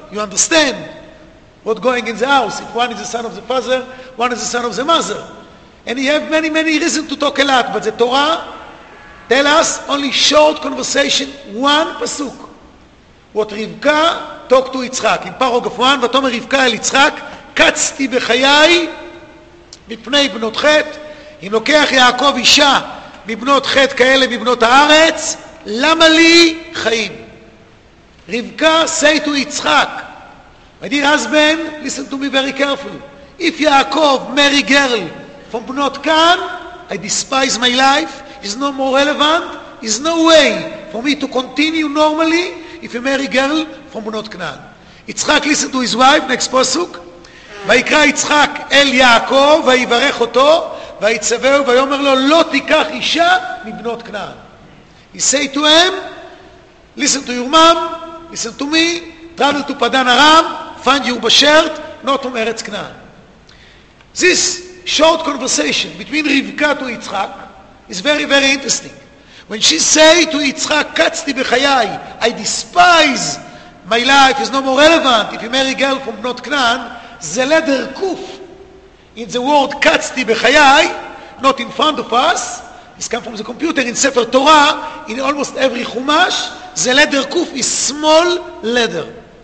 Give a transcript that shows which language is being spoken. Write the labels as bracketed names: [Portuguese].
[English] You understand what's going in the house. If one is the son of the father, one is the son of the mother. And you have many, many reasons to talk a lot, but the Torah tell us only short conversation, one pasuk. What Rivka talk to Yitzchak. In paragraph one, [Hebrew] ותאמר רבקה אל יצחק, קצתי בחיי מפני בנות חת. אם לוקח יעקב אישה מבנות חת כאלה מבנות הארץ, למה לי חיים? [English] רבקה say to יצחק, my dear husband, listen to me very carefully. If Yaakov marry girl from Bnot Kan, I despise my life, it's no more relevant, it's no way for me to continue normally if you marry girl from Bnot Kan. Yitzchak listened to his wife, next posuk. [Hebrew] ויקרא יצחק אל יעקב ויברך אותו ויצווהו ויאמר לו לא תיקח אישה מבנות כנען. [English] He say to him, listen to your mom, listen to me, travel to Padan Aram, find your bashert, not from Eretz Kanaan. This short conversation between Rivka to Yitzchak is very very interesting. When she say to Yitzchak, [Hebrew] קצתי בחיי, [English] I despise my life, is no more relevant if you marry a girl from Bnot Kanaan, the letter kuf in the word katzti b'chayai, not in front of us, it's come from the computer, in Sefer Torah, in almost every chumash, the letter kuf is small letter.